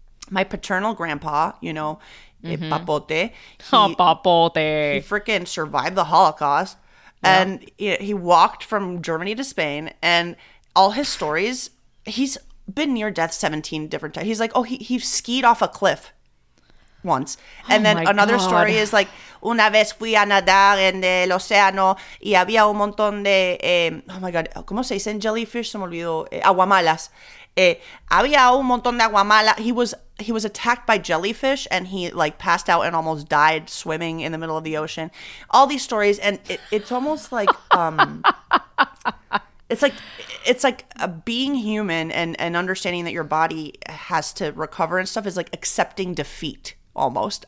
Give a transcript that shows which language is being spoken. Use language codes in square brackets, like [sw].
[en] My paternal grandpa, you know, mm-hmm. Papote. Papote. He freaking survived the Holocaust. Yeah. And he walked from Germany to Spain. And all his stories, he's been near death 17 different times. He's like, oh, he skied off a cliff once. And oh then another God. Story is like, [es] una vez fui a nadar en el océano y había un montón de, [en] oh my God, [es] ¿cómo se dicen jellyfish? Se me olvidó. Aguamalas. Había un montón de aguamala. [en] He was attacked by jellyfish and he like passed out and almost died swimming in the middle of the ocean. All these stories, and it's almost like it's like being human and understanding that your body has to recover and stuff is like accepting defeat almost.